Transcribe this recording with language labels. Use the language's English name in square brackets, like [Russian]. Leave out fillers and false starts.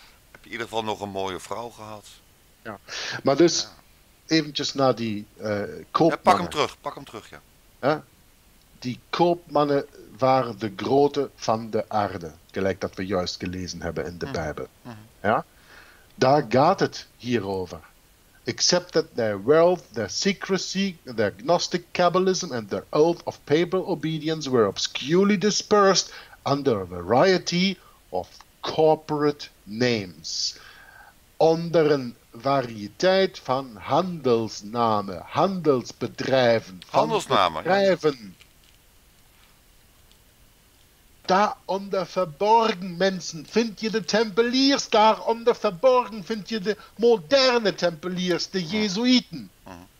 [Dutch] Heb je in ieder geval nog een mooie vrouw gehad. Ja, maar dus ja. Eventjes naar die koopmannen. Ja, pak hem terug, ja. Ja. Die koopmannen waren de grote van de aarde, gelijk dat we juist gelezen hebben in de Bijbel. Mm-hmm. Ja? Daar gaat het hier over. [English] Accepted their wealth, their secrecy, their Gnostic Kabbalism and their oath of papal obedience were obscurely dispersed under a variety of corporate names. [Dutch] Onder een variëteit van handelsnamen, handelsbedrijven. Handelsnamen, bedrijven. Ja. Daaronder verborgen mensen vind je de tempeliers, daaronder verborgen vind je de moderne tempeliers, de Jesuiten. Mhm.